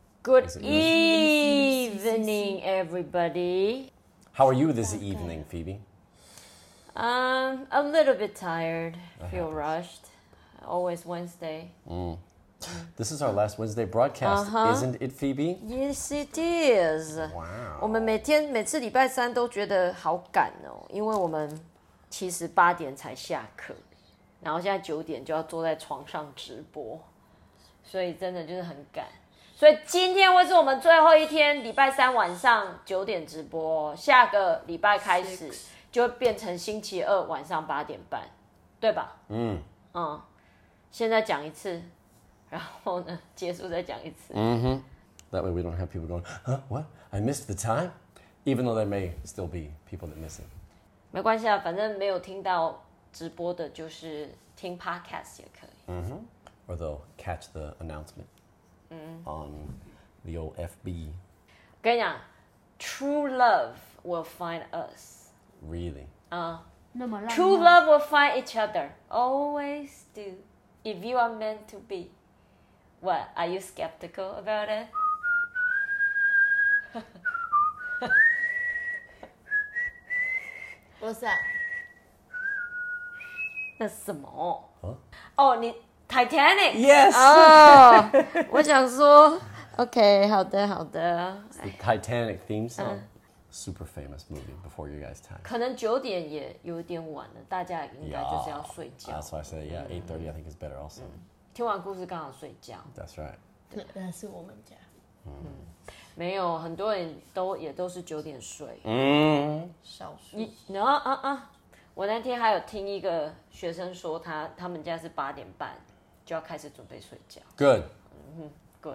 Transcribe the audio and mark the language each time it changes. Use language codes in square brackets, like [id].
[en] Good evening, everybody. How are you this evening, Phoebe? A little bit tired. Rushed. Always Wednesday. This is our last Wednesday broadcast, isn't it, Phoebe? Yes, it is. Wow. [zh] 我们每次礼拜三都觉得好赶哦，因为我们其实八点才下课，然后现在九点就要坐在床上直播，所以真的就是很赶。所以今天会是我们最后一天，礼拜三晚上九点直播，下个礼拜开始就会变成星期二晚上八点半，对吧？现在讲一次，然后呢，结束再讲一次。 [en] That way we don't have people going, huh, what? I missed the time? Even though there may still be people that miss it. [zh] 没关系啊，反正没有听到直播的，就是听 podcast 也可以。 [en] Or they'll catch the announcement. On the old FB. [zh] 跟你讲 [en] true love will find us. Really? True love will find each other. Always do. If you are meant to be. What? Are you skeptical about it? [zh] 我想那什么哦、huh? oh, 你 Titanic [en] Yes、 [zh] oh, 我想说 OK 好的好的 [en] It's the Titanic theme song、Super famous movie before you guys time [zh] 可能九点也有点晚了大家应该就是要睡觉 [en] That's why I said yeah 8:30 I think is better also [zh] 听完故事刚好睡觉 [en] That's right [zh] 那是我们家没有，很多人都也都是九点睡。少数。你，然后我那天还有听一个学生说他们家是八点半就要开始准备睡觉。 [en] Good。 Good。